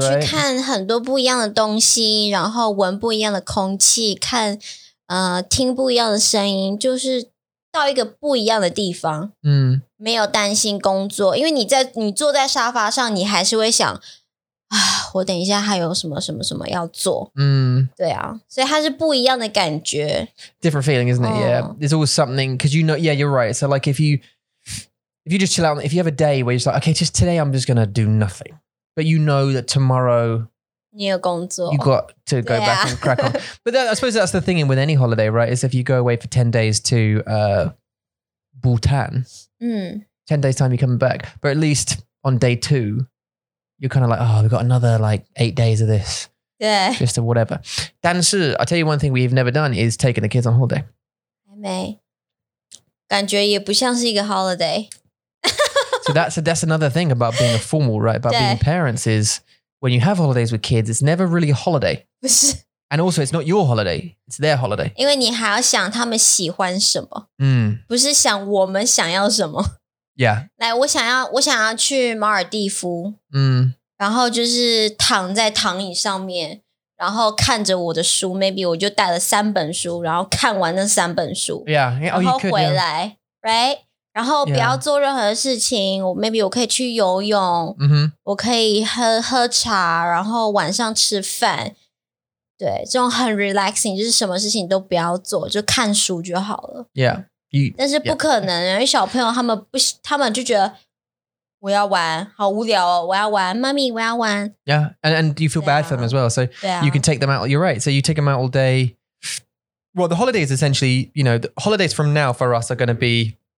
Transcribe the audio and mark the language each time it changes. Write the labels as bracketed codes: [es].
[zh] 带你去看很多不一样的东西，然后闻不一样的空气，看听不一样的声音，就是到一个不一样的地方。没有担心工作，因为你坐在沙发上，你还是会想我等一下还有什么什么什么要做。对啊。所以它是不一样的感觉。 [en] Different feeling, isn't it? Yeah. There's always something, because you know, yeah, you're right. So like if you just chill out, if you have a day where you're just like, okay, just today I'm just going to do nothing. But you know that tomorrow... [zh] 你有工作。 [en] You got to go back and crack on. But that, I suppose that's the thing with any holiday, right? Is if you go away for 10 days to Bhutan, 10 days time you're coming back. But at least on day two... You're kind of like, oh, we've got another like 8 days of this. Yeah. Just a whatever. [zh] 但是, [en] I'll tell you one thing we've never done is taking the kids on holiday. [zh] 还没。感觉也不像是一个 holiday. [en] So that's another thing about being a formal, right? About being parents is when you have holidays with kids, it's never really a holiday. [zh] 不是。 [en] And also, it's not your holiday. It's their holiday. [zh] 因为你还要想他们喜欢什么。不是想我们想要什么。 [en] Yeah. [zh] 来，我想要去马尔蒂夫。然后就是躺在躺椅上面，然后看着我的书。 Maybe 我就带了三本书，然后看完那三本书。 [en] Yeah. Oh, you could. [zh] 然后回来 ，right? 然后不要做任何事情。我 maybe 我可以去游泳。我可以喝茶，然后晚上吃饭。对，这种很 relaxing， 就是什么事情都不要做，就看书就好了。 [en] Yeah. [zh] 但是不可能，因为小朋友他们就觉得我要玩，好无聊哦，我要玩，妈咪，我要玩。 [en] Yeah, and you feel bad for them as well, so you can take them out. You're right, so you take them out all day. Well, the holidays essentially, you know, the holidays from now for us are going to be